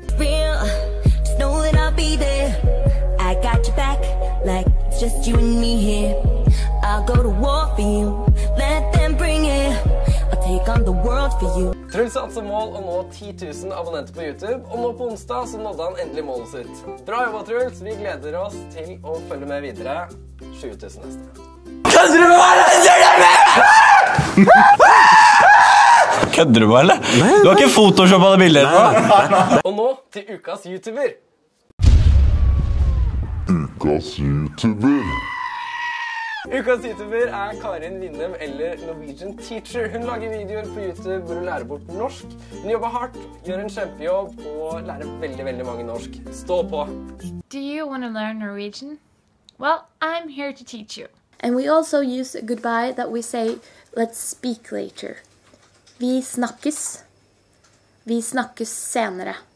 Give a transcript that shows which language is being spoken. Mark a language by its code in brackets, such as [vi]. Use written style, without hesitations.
[en] Real, just know that I'll be there. I got your back, like it's just you and me here. I'll go to war for you, let them bring it. I'll take on the world for you. [no] Truls satte som mål å nå 10.000 abonnenter på YouTube, og nå på onsdag så nådde han endelig målet sitt. Bra jobba, Truls, vi gleder oss til å følge med videre. 7.000 neste. Kødder du med meg, eller? Kødder du med meg? Kødder du med meg, eller? Du har ikke photoshoppet det bildet ditt, da. Og nå til ukas YouTuber. Ukas YouTuber. Ukas YouTuber er Karin Lindem, eller Norwegian Teacher. Hun lager videoer på YouTube hvor hun lærer bort norsk. Hun jobber hardt, gjør en kjempejobb og lærer veldig, veldig mange norsk. Stå på! [en] Do you want to learn Norwegian? Well, I'm here to teach you. And we also use goodbye that we say, let's speak later. [no] Vi snakkes. Vi snakkes senere.